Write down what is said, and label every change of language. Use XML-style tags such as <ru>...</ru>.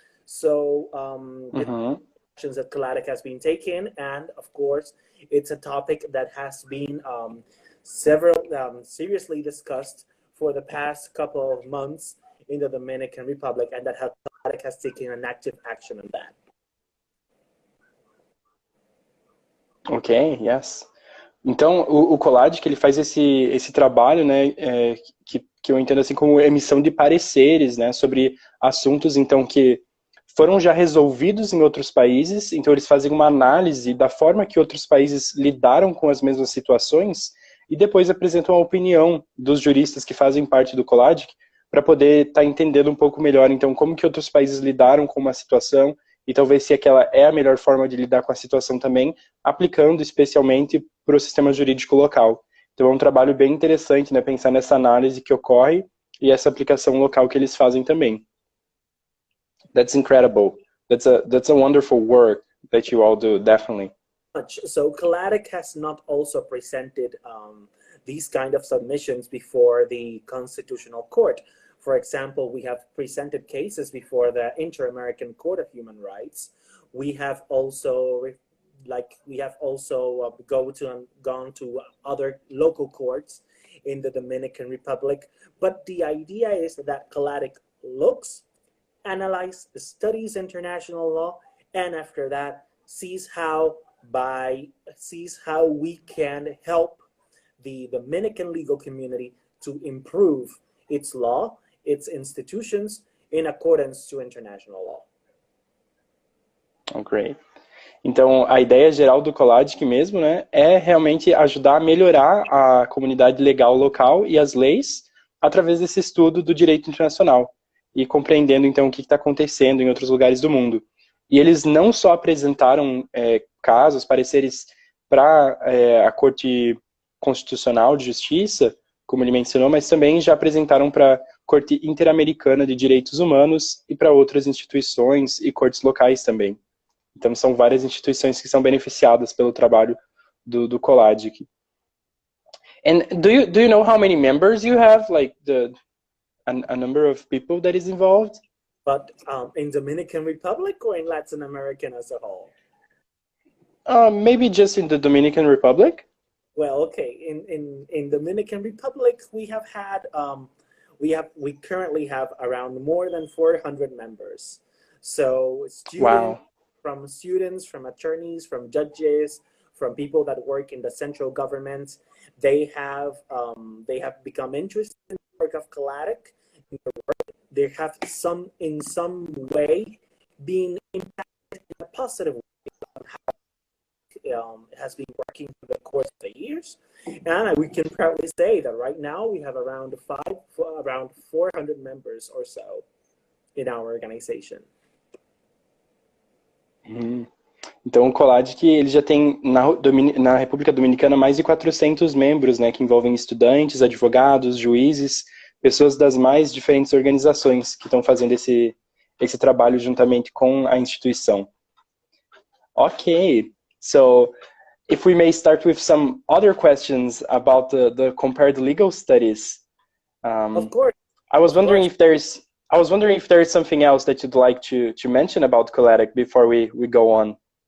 <en>So the actions that GLADIC has been taking, and of course, it's a topic that has been seriously discussed for the past couple of months in the Dominican Republic, and that GLADIC has taken an active action on that. Okay, yes.</en> <pt>Então, o COLADIC, ele faz esse trabalho, né, que eu entendo assim como emissão de pareceres, né, sobre assuntos, então, que foram já resolvidos em outros países. Então, eles fazem uma análise da forma que outros países lidaram com as mesmas situações e depois apresentam a opinião dos juristas que fazem parte do COLADIC para poder estar entendendo um pouco melhor, então, como que outros países lidaram com uma situação e talvez se aquela é a melhor forma de lidar com a situação também, aplicando especialmente para o sistema jurídico local. Então é um trabalho bem interessante, né, pensar nessa análise que ocorre e essa aplicação local que eles fazem também.</pt> <en>That's incredible. That's a wonderful work that you all do, definitely. So COLADIC has not also presented these kind of submissions before the Constitutional Court. For example, we have presented cases before the Inter-American Court of Human Rights. We have also, gone to other local courts in the Dominican Republic. But the idea is that COLADIC looks, analyzes, studies international law, and after that sees how we can help the Dominican legal community to improve its law, its institutions, in accordance to international law. Oh, great.</en> <pt>Então, a ideia geral do COLADIC mesmo, né, é realmente ajudar a melhorar a comunidade legal local e as leis através desse estudo do direito internacional e compreendendo, então, o que está acontecendo em outros lugares do mundo. E eles não só apresentaram casos, pareceres para a Corte Constitucional de Justiça, como ele mencionou, mas também já apresentaram para Corte Interamericana de Direitos Humanos e para outras instituições e cortes locais também. Então, são várias instituições que são beneficiadas pelo trabalho do COLADIC.</pt> <en>And do you know how many members you have, like a number of people that is involved? But in Dominican Republic or in Latin America as a whole? Maybe just in the Dominican Republic. Well, okay, in Dominican Republic we have had we currently have around more than 400 members. So students, wow. From students, from attorneys, from judges, from people that work in the central government, they have become interested in the work of COLADIC. They have in some way been impacted in a positive way on how has been working for the course of the years, and we can proudly say that right now we have around 400 members or so in our organization. Mm-hmm.</en> <pt>Então, o COLAD, que ele já tem na República Dominicana mais de 400 membros, né, que envolvem estudantes, advogados, juízes, pessoas das mais diferentes organizações que estão fazendo esse trabalho juntamente com a instituição.</pt> <en>Ok, so if we may start with some other questions about the compared legal studies. I was wondering if there is something else that you'd like to mention about Coletic before we go on.</en>